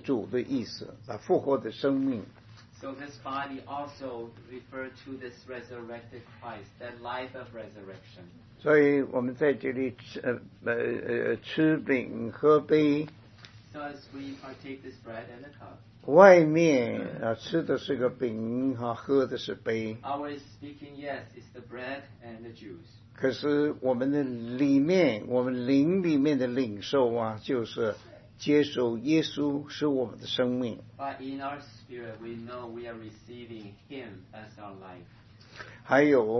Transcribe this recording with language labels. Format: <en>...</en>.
<zh>他说我的身体也有这个他复活的这个主的意思，复活的生命。</zh> <en>So this body also referred to this resurrected Christ, that life of resurrection.</en> <zh>所以我们在这里吃饼喝杯。</zh> <en>So as we partake this bread and the cup.</en> <zh>外面吃的是个饼，喝的是杯。</zh> <en>Always speaking, yes, it's the bread and the juice.</en> <zh>可是我们的里面，我们灵里面的领受，就是接受耶稣是我们的生命。</zh> <en>But in our spirit, we know we are receiving Him as our life.</en>